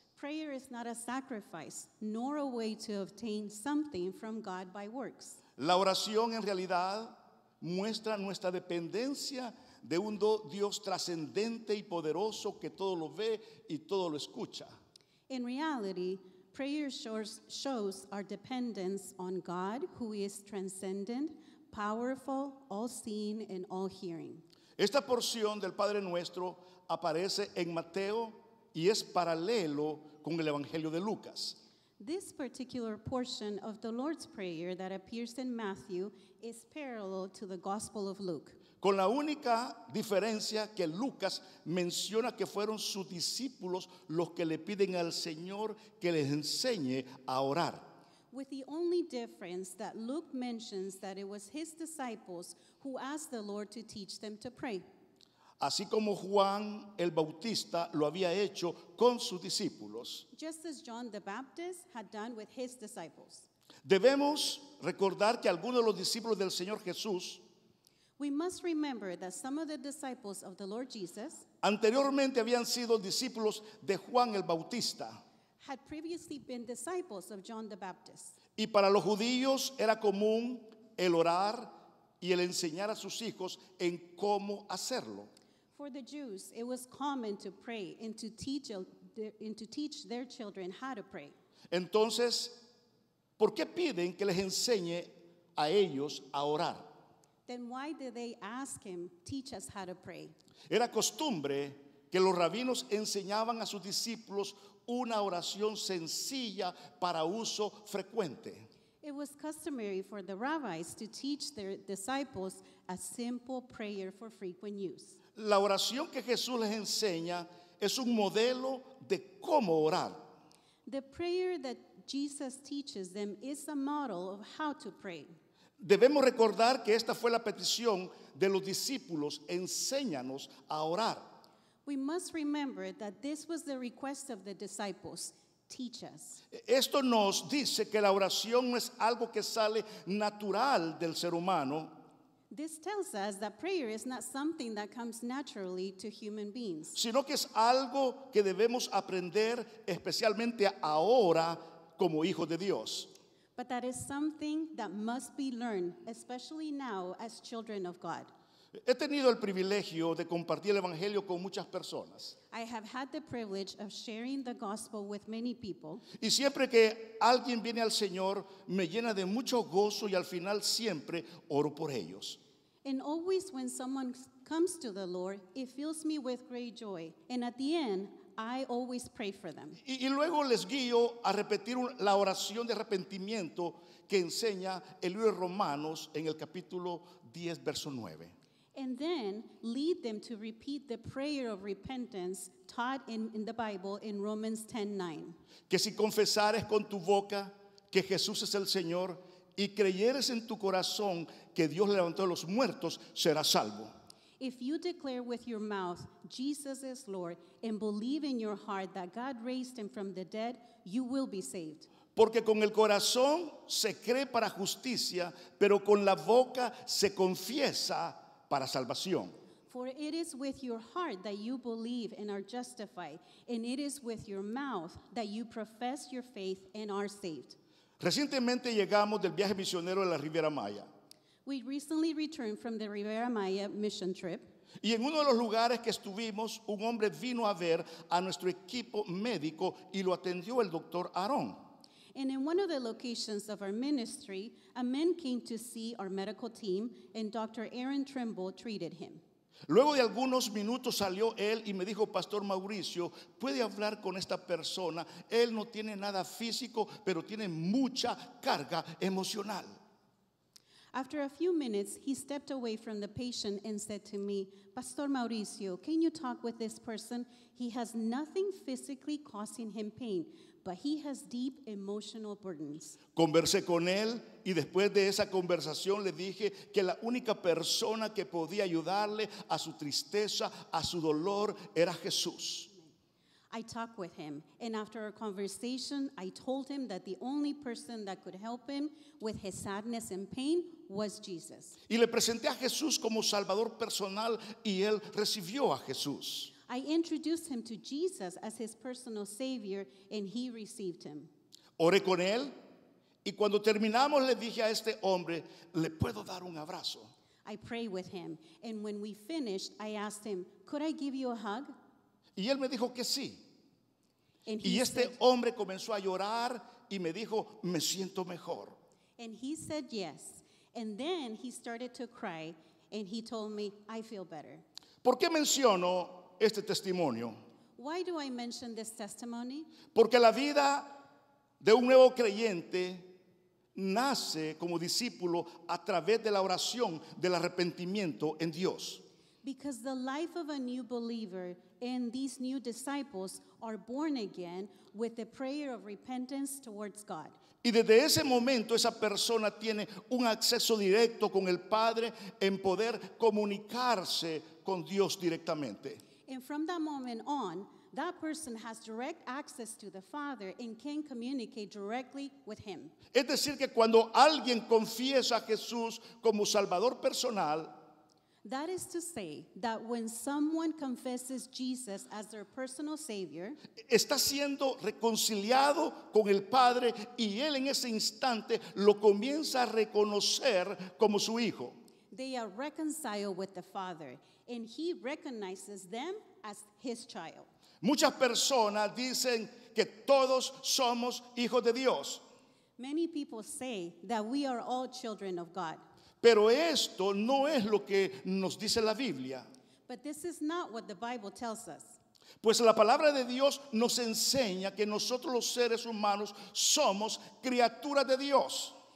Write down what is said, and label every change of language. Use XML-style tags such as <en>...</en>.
<en>Prayer is not a sacrifice, nor a way to obtain something from God by works.</en> <es>La oración en realidad muestra nuestra dependencia de un Dios trascendente y poderoso que todo lo ve y todo lo escucha.</es> <en>In reality, prayer shows our dependence on God, who is transcendent, powerful, all-seeing, and all-hearing.</en> <es>Esta porción del Padre Nuestro aparece en Mateo y es paralelo con el Evangelio de Lucas.</es> <en>This particular portion of the Lord's Prayer that appears in Matthew is parallel to the Gospel of Luke.</en> <es>Con la única diferencia que Lucas menciona que fueron sus discípulos los que le piden al Señor que les enseñe a orar.</es> <en>With the only difference that Luke mentions that it was his disciples who asked the Lord to teach them to pray.</en> <es>Así como Juan el Bautista lo había hecho con sus discípulos.</es> <en>Just as John the Baptist had done with his disciples.</en> <es>Debemos recordar que algunos de los discípulos del Señor Jesús.</es> <en>We must remember that some of the disciples of the Lord Jesus.</en> <es>Anteriormente habían sido discípulos de Juan el Bautista.</es> <en>Had previously been disciples of John the Baptist.</en> <es>Y para los judíos era común el orar y el enseñar a sus hijos en cómo hacerlo.</es> <en>For the Jews, it was common to pray and to teach their children how to pray.</en> <es>Entonces, ¿por qué piden que les enseñe a ellos a orar?</es> <en>Then why did they ask him, teach us how to pray?</en> <es>Era costumbre que los rabinos enseñaban a sus discípulos una oración sencilla para uso frecuente.</es> <en>It was customary for the rabbis to teach their disciples a simple prayer for frequent use.</en> <es>La oración que Jesús les enseña es un modelo de cómo orar.</es> <en>The prayer that Jesus teaches them is a model of how to pray.</en> <es>Debemos recordar que esta fue la petición de los discípulos, enséñanos a orar.</es> <en>We must remember that this was the request of the disciples, teach us.</en> <es>Esto nos dice que la oración no es algo que sale natural del ser humano.</es> <en>This tells us that prayer is not something that comes naturally to human beings.</en> <es>Sino que es algo que debemos aprender especialmente ahora como hijos de Dios.</es> <en>But that is something that must be learned, especially now as children of God.</en> <es>He tenido el privilegio de compartir el evangelio con muchas personas.</es> <en>I have had the privilege of sharing the gospel with many people.</en> <es>Y siempre que alguien viene al Señor, me llena de mucho gozo y al final siempre oro por ellos.</es> <en>And always when someone comes to the Lord, it fills me with great joy. And at the end, I always pray for them.</en> <es>Y luego les guío a repetir la oración de arrepentimiento que enseña el libro de Romanos en el capítulo 10, verso 9.</es> <en>And then lead them to repeat the prayer of repentance taught in the Bible in Romans 10:9.</en> <es>Que si confesares con tu boca que Jesús es el Señor y creyeres en tu corazón que Dios levantó a los muertos, serás salvo.</es> <en>If you declare with your mouth Jesus is Lord and believe in your heart that God raised him from the dead, you will be saved.</en> <es>Porque con el corazón se cree para justicia, pero con la boca se confiesa para salvación.</es> <en>For it is with your heart that you believe and are justified, and it is with your mouth that you profess your faith and are saved.</en> <es>Recientemente llegamos del viaje misionero de la Riviera Maya.</es> <en>We recently returned from the Riviera Maya mission trip.</en> <es>Y en uno de los lugares que estuvimos, un hombre vino a ver a nuestro equipo médico y lo atendió el doctor Aarón.</es> <en>And in one of the locations of our ministry, a man came to see our medical team, and Dr. Aaron Trimble treated him.</en> <es>Luego de algunos minutos salió él y me dijo, Pastor Mauricio, ¿puede hablar con esta persona? Él no tiene nada físico, pero tiene mucha carga emocional.</es> <en>After a few minutes, he stepped away from the patient and said to me, Pastor Mauricio, can you talk with this person? He has nothing physically causing him pain, but he has deep emotional burdens.</en> <es>Conversé con él y después de esa conversación le dije que la única persona que podía ayudarle a su tristeza, a su dolor, era Jesús.</es> <en>I talked with him, and after our conversation, I told him that the only person that could help him with his sadness and pain was Jesus.</en> <es>Y le presenté a Jesús como salvador personal y él recibió a Jesús.</es> <en>I introduced him to Jesus as his personal savior, and he received him.</en> <es>Oré con él, y cuando terminamos le dije a este hombre, ¿le puedo dar un abrazo?</es> <en>I prayed with him, and when we finished, I asked him, could I give you a hug?</en> <es>Y él me dijo que sí.</es> <en>And</en> <es>y este</es> <en>said,</en> <es>hombre comenzó a llorar, y me dijo, me siento mejor.</es> <en>And he said yes, and then he started to cry, and he told me, I feel better.</en> <es>¿Por qué menciono este testimonio?</es> <en>Why do I mention this testimony?</en> <es>Porque la vida de un nuevo creyente nace como discípulo a través de la oración del arrepentimiento en Dios.</es> <en>Because the life of a new believer and these new disciples are born again with the prayer of repentance towards God.</en> <es>Y desde ese momento esa persona tiene un acceso directo con el Padre en poder comunicarse con Dios directamente.</es> <en>And from that moment on, that person has direct access to the Father and can communicate directly with him.</en> <es>Es decir, que cuando alguien confiesa a Jesús como Salvador personal,</es> <en>that is to say that when someone confesses Jesus as their personal Savior,</en> <es>está siendo reconciliado con el Padre y él en ese instante lo comienza a reconocer como su hijo.</es> <en>They are reconciled with the Father and he recognizes them as his child.</en> <es>Muchas personas dicen que todos somos hijos de Dios.</es> <en>Many people say that we are all children of God.</en> <es>Pero esto no es lo que nos dice la Biblia.</es> <en>But this is not what the Bible tells us.</en> <es>Pues la palabra de Dios nos enseña que nosotros los seres humanos somos criaturas de Dios.</es>